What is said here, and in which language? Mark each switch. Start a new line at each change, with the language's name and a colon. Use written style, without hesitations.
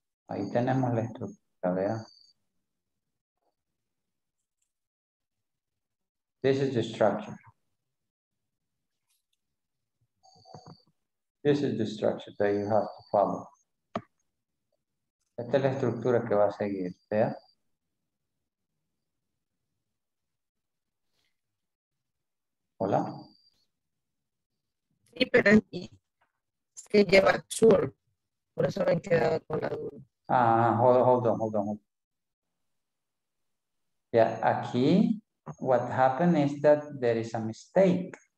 Spanish: Ahí tenemos la estructura, ¿vea?
English: This is the structure. This is the structure that you have to follow.
Spanish: Esta es la estructura que va a seguir, ¿vea? Hola. Sí, pero es que lleva sure. Por eso me he quedado con la duda.
English: Ah, hold on. Yeah, aquí, what happened is that there is a mistake.